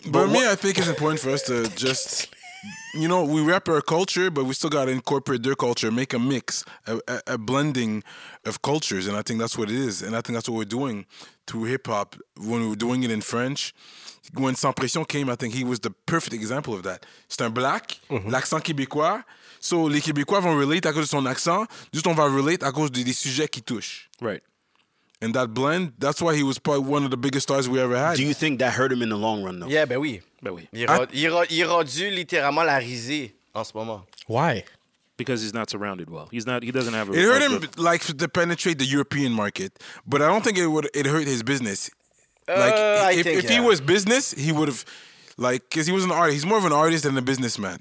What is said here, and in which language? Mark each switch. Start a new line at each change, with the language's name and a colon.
English: But me, I think it's important for us to just... You know, we rap our culture, but we still got to incorporate their culture, make a mix, a blending of cultures. And I think that's what it is. And I think that's what we're doing through hip-hop when we're doing it in French. When Sans Pression came, I think he was the perfect example of that.
French: C'est un black, l'accent québécois. So les Québécois vont relate à cause de son accent. Juste on va relate à cause des sujets qui touchent.
English: Right. And that blend, that's why he was probably one of the biggest stars we ever had. Do you think that hurt him in the long run, though?
French: Yeah, ben oui. Ben oui. Il rendu littéralement la risée en ce moment.
English: Why? Because he's not surrounded well. He doesn't have a... It hurt him, like, to penetrate the European market. But I don't think it hurt his business. I think if he was business, he would have... Like, because he was an artist. He's more of an artist than a businessman.